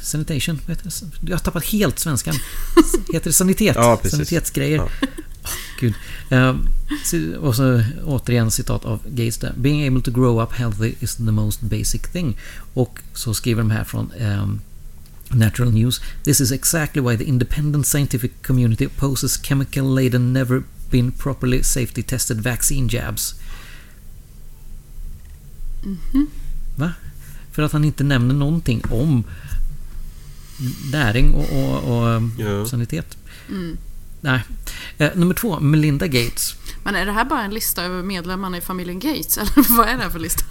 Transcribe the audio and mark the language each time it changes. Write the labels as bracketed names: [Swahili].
[Swedish] Sanitation, vad heter det? Jag har tappat helt svenskan. Heter det sanitet? Ja, precis. Sanitetsgrejer. Ja. Oh, gud. Och så återigen citat av Gates där. [English] "Being able to grow up healthy is the most basic thing." [Swedish] Och så skriver de här från Natural News. [English] "This is exactly why the independent scientific community opposes chemical laden never been properly safety tested vaccine jabs." Mm-hmm. [Swedish] Va? För att han inte nämner någonting om näring och ja, sanitet. Mm. Nej. Nummer två, Melinda Gates. Men är det här bara en lista över medlemmarna i familjen Gates? Eller vad är det här för lista?